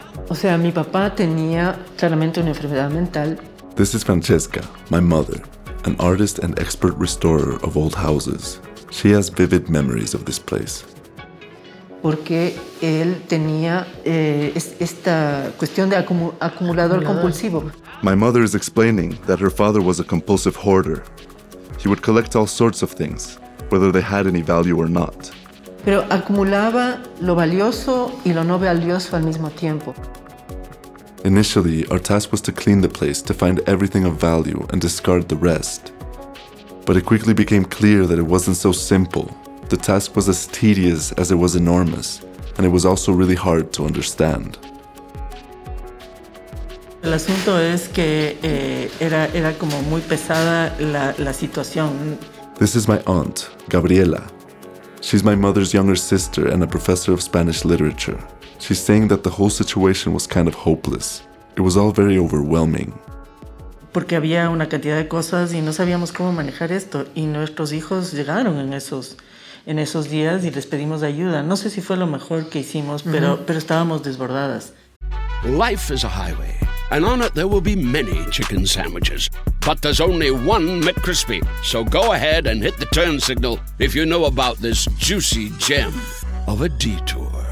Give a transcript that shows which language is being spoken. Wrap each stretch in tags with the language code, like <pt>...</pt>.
<es>O sea, mi papá tenía claramente una enfermedad mental.</es> <en>This is Francesca, my mother, an artist and expert restorer of old houses. She has vivid memories of this place.</en> <es>Porque él tenía esta cuestión de acumulador compulsivo.</es> <en>My mother is explaining that her father was a compulsive hoarder. He would collect all sorts of things, whether they had any value or not.</en> <es>Pero acumulaba lo valioso y lo no valioso al mismo tiempo.</es> <en>Initially, our task was to clean the place, to find everything of value and discard the rest. But it quickly became clear that it wasn't so simple. The task was as tedious as it was enormous, and it was also really hard to understand.</en> <es>El asunto es que era como muy pesada la situación.</es> <en>This is my aunt, Gabriela. She's my mother's younger sister and a professor of Spanish literature. She's saying that the whole situation was kind of hopeless. It was all very overwhelming.</en> <es>Porque había una cantidad de cosas y no sabíamos cómo manejar esto. Y nuestros hijos llegaron en esos días y les pedimos ayuda. No sé si fue lo mejor que hicimos, mm-hmm. pero estábamos desbordadas.</es> <en>Life is a highway, and on it there will be many chicken sandwiches. But there's only one McCrispy. So go ahead and hit the turn signal if you know about this juicy gem of a detour.</en>